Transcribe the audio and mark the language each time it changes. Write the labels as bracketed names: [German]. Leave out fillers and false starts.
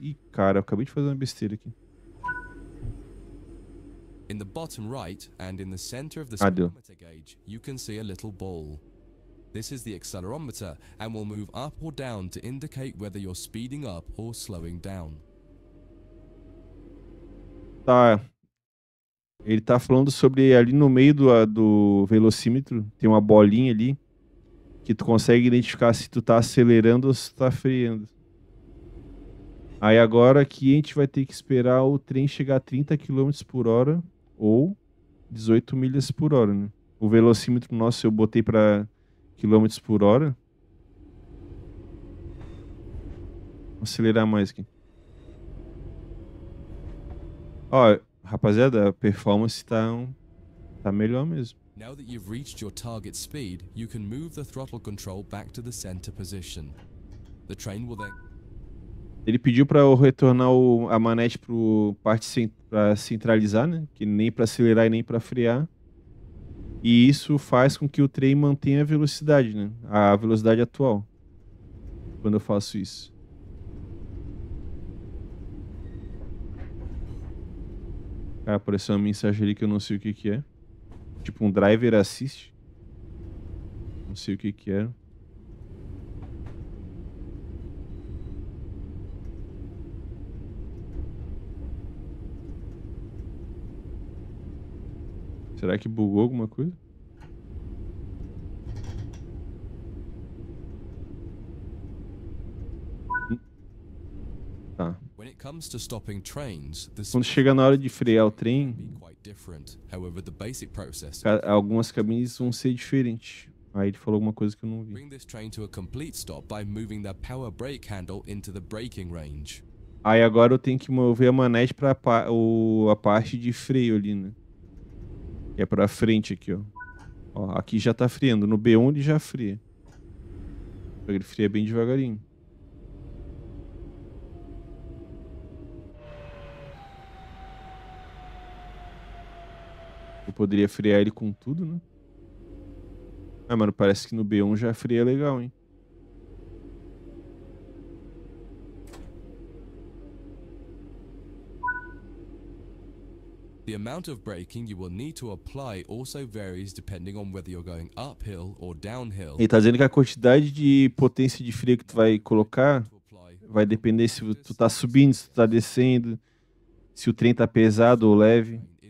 [Portuguese] Ih, cara, eu acabei de fazer uma besteira aqui. [English] In the bottom right and in the center of the speedometer gauge, you can see a little ball. This is the accelerometer and will move up or down to indicate whether you're speeding up or slowing down. [Portuguese] Tá. Ele tá falando sobre ali no meio do velocímetro, tem uma bolinha ali que tu consegue identificar se tu tá acelerando ou se tu tá freando. Aí agora aqui a gente vai ter que esperar o trem chegar a 30 km por hora. Ou 18 milhas por hora, né? O velocímetro nosso eu botei para quilômetros por hora. Vou acelerar mais aqui. Ó, rapaziada, a performance tá melhor mesmo. [English] Now that you've reached your target speed, you can move the throttle control back to the center position. The train will then... [Portuguese] Ele pediu para eu retornar a manete para centralizar, né? Que nem para acelerar e nem para frear. E isso faz com que o trem mantenha a velocidade, né? A velocidade atual. Quando eu faço isso. Cara, apareceu uma mensagem ali que eu não sei o que que é. Tipo um [English] driver assist. [Portuguese] Não sei o que que é. Será que bugou alguma coisa? Tá. [English] When it comes to stopping trains, [Portuguese] quando chega na hora de frear o trem, [English] however, the basic process... [Portuguese] algumas cabines vão ser diferentes. Aí ele falou alguma coisa que eu não vi. [English] Bring this train to a complete stop by moving the power brake handle into the braking range. [Portuguese] Aí agora eu tenho que mover a manete para a parte de freio ali, né? É pra frente aqui, ó. Ó, aqui já tá freando. No B1 ele já freia. Ele freia bem devagarinho. Eu poderia frear ele com tudo, né? Ah, mano, parece que no B1 já freia legal, hein? [English] The amount of braking you will need to apply also varies depending on whether you're going uphill or downhill. [Portuguese] Ele tá dizendo que a quantidade de potência de freio que tu vai colocar vai depender se tu tá subindo, se tu tá descendo, se o trem tá pesado ou leve.